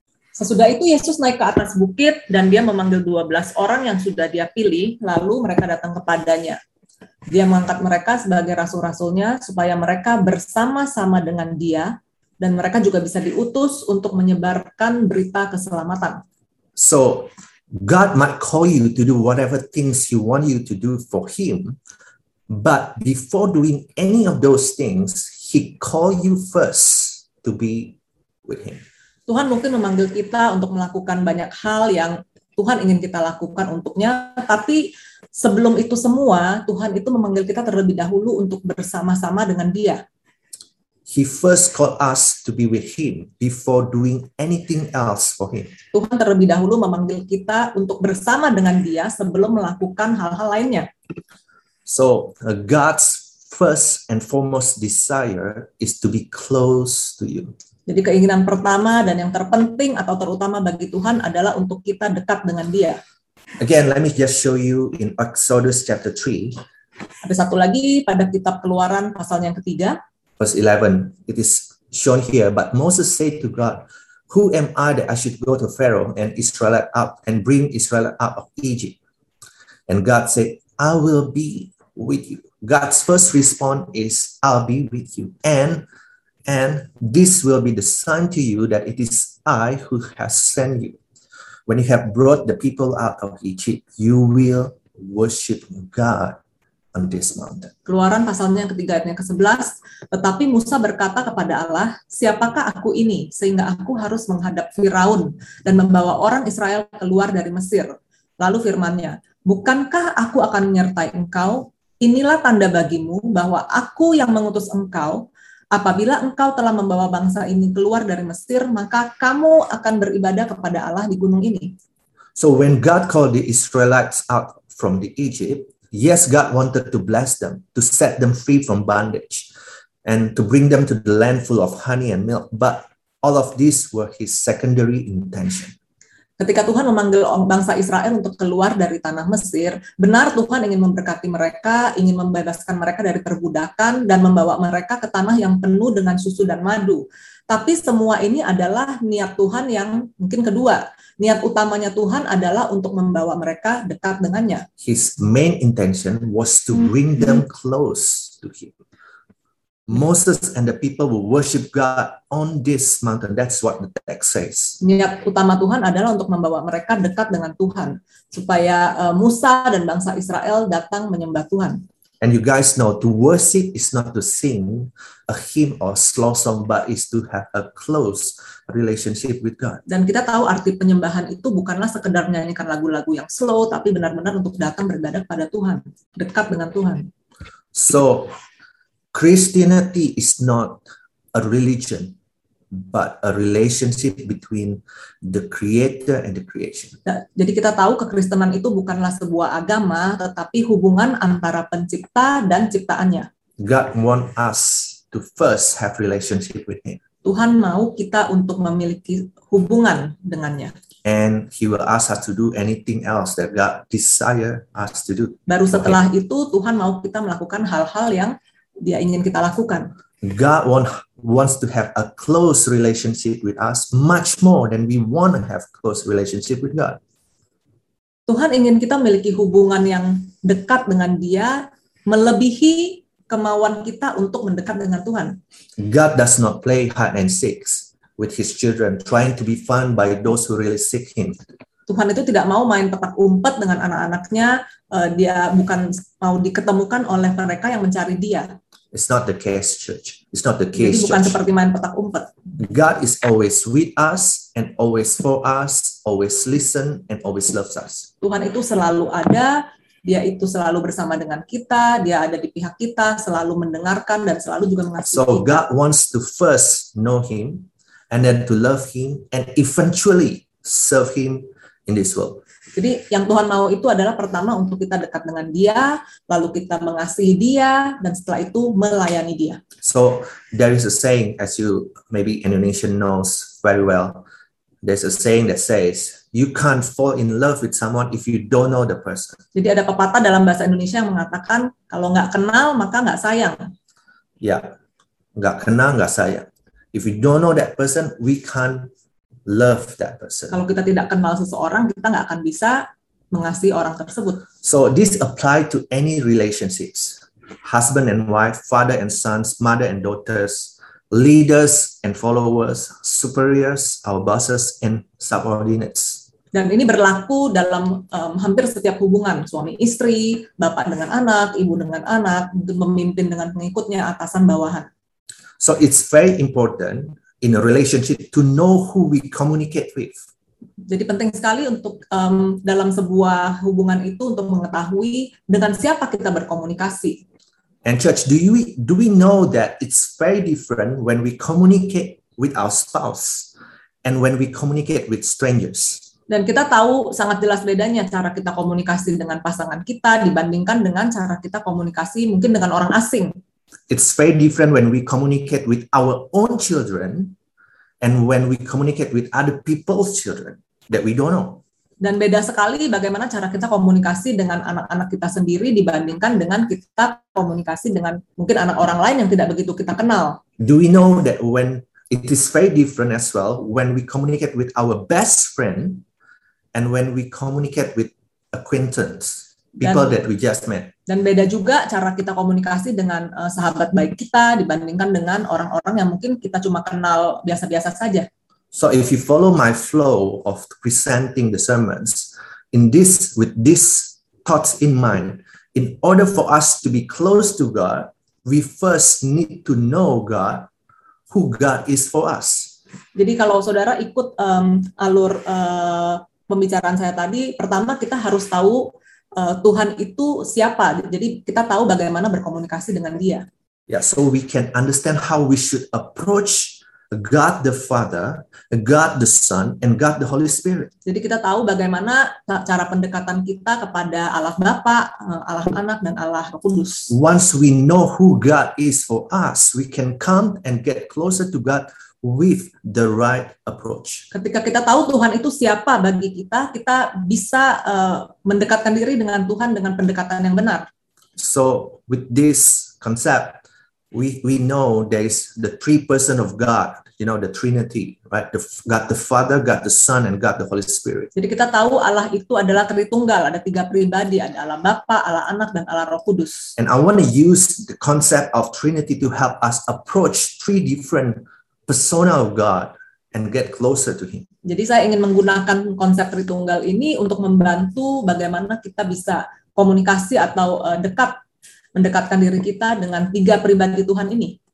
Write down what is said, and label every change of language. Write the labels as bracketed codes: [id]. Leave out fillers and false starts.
[id] Sesudah itu Yesus naik ke atas bukit dan dia memanggil 12 orang yang sudah dia pilih, lalu mereka datang kepadanya. Dia mengangkat mereka sebagai rasul-rasulnya supaya mereka bersama-sama dengan dia, dan mereka juga bisa diutus untuk menyebarkan berita keselamatan. [en] So, God might call you to do whatever things he want you to do for him, but before doing any of those things, he call you first to be with him. [id] Tuhan mungkin memanggil kita untuk melakukan banyak hal yang Tuhan ingin kita lakukan untuknya, tapi sebelum itu semua, Tuhan itu memanggil kita terlebih dahulu untuk bersama-sama dengan dia. [en] He first called us to be with him before doing anything else for him. [id] Tuhan terlebih dahulu memanggil kita untuk bersama dengan dia sebelum melakukan hal-hal lainnya. [en] So, God's first and foremost desire is to be close to you. [id] Jadi keinginan pertama dan yang terpenting atau terutama bagi Tuhan adalah untuk kita dekat dengan dia. [en] Again, let me just show you in Exodus chapter 3. [id] Ada satu lagi pada kitab Keluaran pasal yang ketiga. [en] Verse 11. It is shown here, but Moses said to God, "Who am I that I should go to Pharaoh and Israelite up and bring Israelite out of Egypt?" And God said, "I will be with you." God's first response is, "I'll be with you. And this will be the sign to you that it is I who has sent you. When you have brought the people out of Egypt, you will worship God on this mountain." [id] Keluaran pasalnya yang ketiga ayatnya ke-11, "Tetapi Musa berkata kepada Allah, 'Siapakah aku ini sehingga aku harus menghadap Firaun dan membawa orang Israel keluar dari Mesir?' Lalu firman-Nya, 'Bukankah aku akan menyertai engkau? Inilah tanda bagimu bahwa aku yang mengutus engkau. Apabila engkau telah membawa bangsa ini keluar dari Mesir, maka kamu akan beribadah kepada Allah di gunung ini.'" [en] So when God called the Israelites out from the Egypt, yes, God wanted to bless them, to set them free from bondage, and to bring them to the land full of honey and milk, but all of these were his secondary intention. [id] Ketika Tuhan memanggil bangsa Israel untuk keluar dari tanah Mesir, benar Tuhan ingin memberkati mereka, ingin membebaskan mereka dari perbudakan, dan membawa mereka ke tanah yang penuh dengan susu dan madu. Tapi semua ini adalah niat Tuhan yang mungkin kedua. Niat utamanya Tuhan adalah untuk membawa mereka dekat dengannya. [en] His main intention was to bring them close to him. Moses and the people will worship God on this mountain. That's what the text says. [id] Niat utama Tuhan adalah untuk membawa mereka dekat dengan Tuhan, supaya Musa dan bangsa Israel datang menyembah Tuhan. [en] And you guys know, to worship is not to sing a hymn or slow song, but is to have a close relationship with God. [id] Dan kita tahu arti penyembahan itu bukanlah sekedar menyanyikan lagu-lagu yang slow, tapi benar-benar untuk datang beribadah kepada Tuhan, dekat dengan Tuhan. [en] So Christianity is not a religion, but a relationship between the Creator and the creation. [id] Jadi kita tahu kekristenan itu bukanlah sebuah agama, tetapi hubungan antara pencipta dan ciptaannya. [en] God want us to first have relationship with Him. [id] Tuhan mau kita untuk memiliki hubungan dengannya. [en] And He will ask us to do anything else that God desire us to do. [id] Baru setelah itu Tuhan mau kita melakukan hal-hal yang Dia ingin kita lakukan. [en] God wants to have a close relationship with us much more than we want to have close relationship with God. [id] Tuhan ingin kita memiliki hubungan yang dekat dengan Dia melebihi kemauan kita untuk mendekat dengan Tuhan. [en] God does not play hide and seek with His children, trying to be found by those who really seek Him. [id] Tuhan itu tidak mau main petak umpet dengan anak-anaknya. Dia bukan mau diketemukan oleh mereka yang mencari Dia. [en] It's not the case, church. It's not the case. [id] Jadi bukan [en] church. [id] Seperti main petak umpet. [en] God is always with us and always for us, always listen and always loves us. [id] Tuhan itu selalu ada. Dia itu selalu bersama dengan kita. Dia ada di pihak kita, selalu mendengarkan dan selalu juga mengasihi. [en] So God wants to first know Him and then to love Him and eventually serve Him in this world. [id] Jadi yang Tuhan mau itu adalah pertama untuk kita dekat dengan Dia, lalu kita mengasihi Dia, dan setelah itu melayani Dia. [en] So there is a saying, as you maybe Indonesian knows very well, there's a saying that says you can't fall in love with someone if you don't know the person. [id] Jadi ada pepatah dalam bahasa Indonesia yang mengatakan kalau nggak kenal maka nggak sayang. Ya, nggak kenal nggak sayang. [en] If you don't know that person, we can't love that person. [id] Kalau kita tidak kenal seseorang, kita nggak akan bisa mengasihi orang tersebut. [en] So this apply to any relationships, husband and wife, father and sons, mother and daughters, leaders and followers, superiors, our bosses and subordinates. [id] Dan ini berlaku dalam hampir setiap hubungan, suami istri, bapak dengan anak, ibu dengan anak, pemimpin dengan pengikutnya, atasan bawahan. [en] So it's very important in a relationship to know who we communicate with. [id] Jadi penting sekali untuk dalam sebuah hubungan itu untuk mengetahui dengan siapa kita berkomunikasi. [en] And church, do we know that it's very different when we communicate with our spouse and when we communicate with strangers? [id] Dan kita tahu sangat jelas bedanya cara kita komunikasi dengan pasangan kita dibandingkan dengan cara kita komunikasi mungkin dengan orang asing. [en] It's very different when we communicate with our own children and when we communicate with other people's children that we don't know. [id] Dan beda sekali bagaimana cara kita komunikasi dengan anak-anak kita sendiri dibandingkan dengan kita komunikasi dengan mungkin anak orang lain yang tidak begitu kita kenal. [en] Do we know that when it is very different as well when we communicate with our best friend and when we communicate with acquaintance, people dan, that we just met. [id] Dan beda juga cara kita komunikasi dengan sahabat baik kita dibandingkan dengan orang-orang yang mungkin kita cuma kenal biasa-biasa saja. [en] So if you follow my flow of presenting the sermons in this with this thoughts in mind, in order for us to be close to God, we first need to know God, who God is for us. [id] Jadi kalau saudara ikut alur pembicaraan saya tadi, pertama kita harus tahu Tuhan itu siapa. Jadi kita tahu bagaimana berkomunikasi dengan Dia. [en] Yeah, so we can understand how we should approach God the Father, God the Son, and God the Holy Spirit. [id] Jadi kita tahu bagaimana cara pendekatan kita kepada Allah Bapa, Allah Anak, dan Allah Roh Kudus. [en] Once we know who God is for us, we can come and get closer to God with the right approach. [id] Ketika kita tahu Tuhan itu siapa bagi kita, kita bisa mendekatkan diri dengan Tuhan dengan pendekatan yang benar. [en] So with this concept, we know there is the three person of God, you know, the Trinity, right? The God the Father, God the Son, and God the Holy Spirit. [id] Jadi kita tahu Allah itu adalah Tritunggal, ada tiga pribadi, ada Allah Bapa, Allah Anak, dan Allah Roh Kudus. [en] And I want to use the concept of Trinity to help us approach three different persona of God and get closer to Him. [id] Jadi saya ingin menggunakan konsep Tritunggal ini untuk membantu bagaimana kita bisa komunikasi atau dekat mendekatkan diri kita dengan tiga pribadi Tuhan ini.